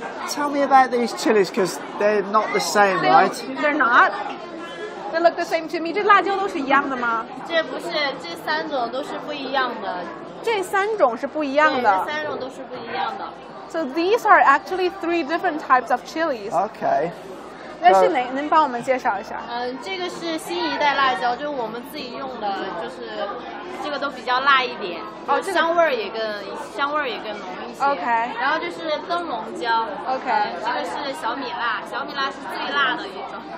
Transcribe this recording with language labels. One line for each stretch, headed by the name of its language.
English: Tell me about these chilies because they're not the same, right? They're not. They look the same to me. These
Chinese: 辣椒都是一样的吗？这不是，这三种都是不一样的。这三种是不一样的。对，这三种都是不一样的。
English: So these are actually three different types of chilies. Okay.
Chinese: 那是哪？您帮我们介绍一下。嗯，这个是新一代辣椒，就是我们自己用的，就是这个都比较辣一点，香味儿也更浓一些。
English: Okay.
Chinese: 然后就是灯笼椒。
English: Okay.
Chinese: 这个是小米辣，小米辣是最辣的一种。